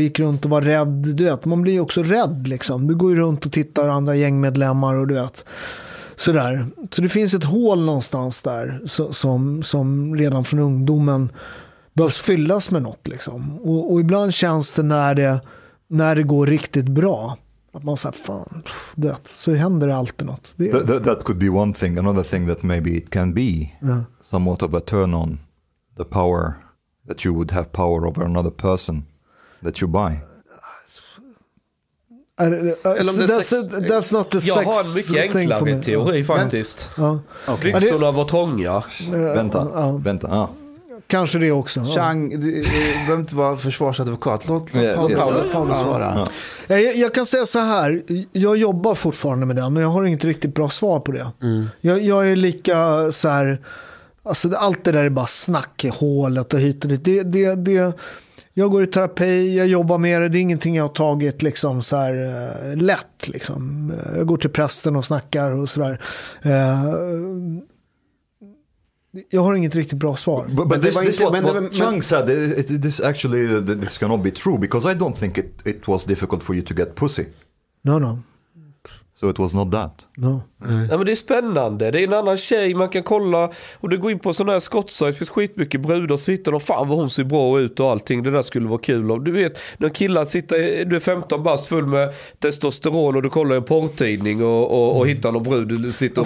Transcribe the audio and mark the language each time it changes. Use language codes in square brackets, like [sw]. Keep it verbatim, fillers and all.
[sv] Gick runt och var rädd, du vet. Man blir ju också rädd, liksom. Du går ju runt och tittar på andra gängmedlemmar och du vet. Sådär. Så det finns ett hål någonstans där så, som, som redan från ungdomen behövs fyllas med något, liksom. Och, och ibland känns det när, det när det går riktigt bra. Att man säger, fan, pff, du vet. Så händer det alltid något. Det är... [en] that, that, that could be one thing. Another thing that maybe it can be. Yeah. Somewhat of a turn on the power that you would have power over another person that you buy. I, I, that's, sex, a, that's not the [sv] jag sex har en mycket enklare teori ja. faktiskt. Ja. Okay. Byxorna var trånga. Uh, vänta, uh, uh. vänta. Uh. Kanske det också. Chang, du, du behöver inte vara försvarsadvokat. Låt Paolo svara. Jag kan säga så här. Jag jobbar fortfarande med det, men jag har inget riktigt bra svar på det. Mm. Jag, jag är lika så här... Alltså, allt det där är bara snack i hålet och hit och dit. Det, det, det, jag går i terapi, jag jobbar med det. Det är ingenting jag har tagit liksom, så här, uh, lätt. Liksom. Jag går till prästen och snackar och sådär. Uh, jag har inget riktigt bra svar. [en] But, but, but this, this what, what Chang said, it, this actually this cannot be true because I don't think it, it was difficult for you to get pussy. No, no. So it was not that. No. Mm. [sv] Nej, men det är spännande. Det är en annan tjej man kan kolla och det går in på sådana här skottsajt. Det finns skitmycket brudar och svittar och fan vad hon ser bra ut och allting. Det där skulle vara kul om. Du vet, när killar sitter, du är femton bast full med testosteron och du kollar en porrtidning och, och, och hittar någon brud du sitter och